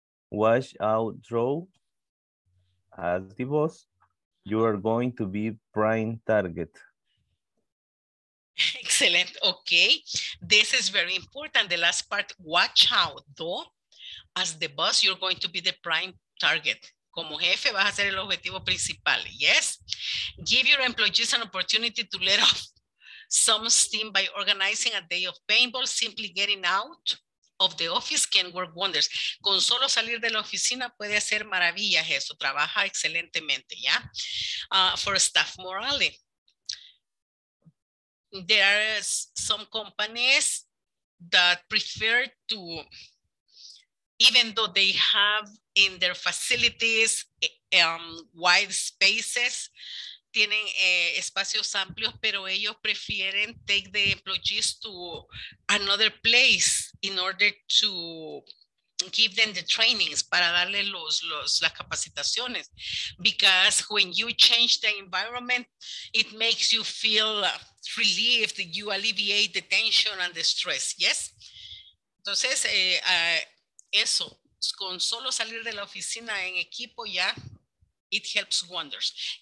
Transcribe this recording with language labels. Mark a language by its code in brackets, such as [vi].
[en] Watch out, draw as the boss. You are going to be prime target. Excellent. Okay. This is very important. The last part, watch out, though. As the boss, you're going to be the prime target. [es] Como jefe, vas a ser el objetivo principal. [en] Yes. Give your employees an opportunity to let off some steam by organizing a day of paintball. Simply getting out of the office can work wonders. [es] Con solo salir de la oficina puede hacer maravillas eso. Trabaja excelentemente, ¿ya? [en] For staff morale. There are some companies that prefer to, even though they have in their facilities wide spaces, [es] tienen espacios amplios, pero ellos prefieren [en] take the employees to another place in order to give them the trainings, [es] para darle las capacitaciones. [en] Because when you change the environment, it makes you feel relieved, you alleviate the tension and the stress, yes? [es] Entonces, eso, con solo salir de la oficina en equipo ya, [en] it helps wonders.